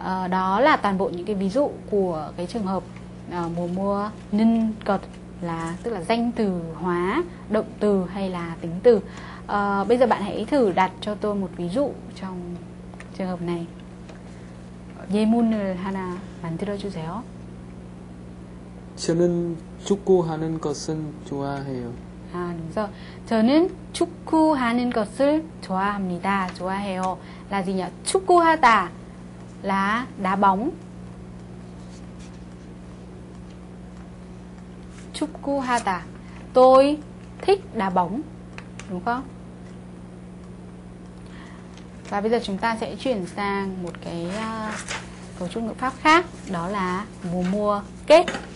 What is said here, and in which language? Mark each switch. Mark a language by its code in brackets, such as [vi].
[vi] Đó là toàn bộ những cái ví dụ của cái trường hợp mùa mua nên cật là tức là danh từ hóa động từ hay là tính từ. Bây giờ bạn hãy thử đặt cho tôi một ví dụ trong trường hợp này. [ko] 예문을 하나 만들어 주세요. 저는 축구하는 것은 좋아해요. 아, 그래서 저는 축구하는 것을 좋아합니다. [vi] 좋아해요. là gì nhỉ? 축구하다 là đá bóng. 축구하다. Tôi thích đá bóng. Đúng không? Và bây giờ chúng ta sẽ chuyển sang một cái cấu trúc ngữ pháp khác, đó là mùa mua kết.